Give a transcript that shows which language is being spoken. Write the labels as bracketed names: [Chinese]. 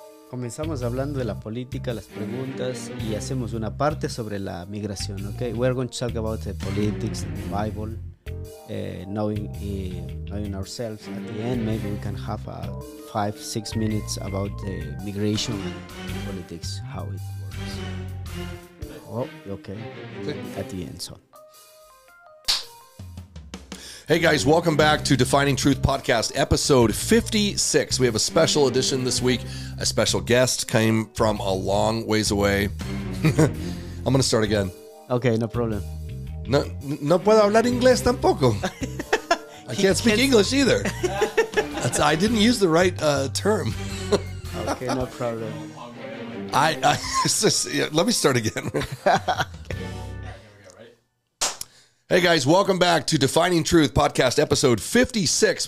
[Spanish] comenzamos hablando de la política, las preguntas, y hacemos una parte sobre la migración, ¿ok? [English] We're going to talk about the politics and the Bible, knowing ourselves. At the end, maybe we can have a 5-6 minutes about the migration and politics, how it works. At the end, so. Hey guys, welcome back to Defining Truth Podcast, episode 56. We have a special edition this week. A special guest came from a long ways away. I'm going to start again. Okay, no problem. [Spanish] No puedo hablar inglés tampoco. [English] I can't speak English either. I didn't use the right term. Okay, no problem. Let me start again. Hey guys, welcome back to Defining Truth Podcast, episode 56.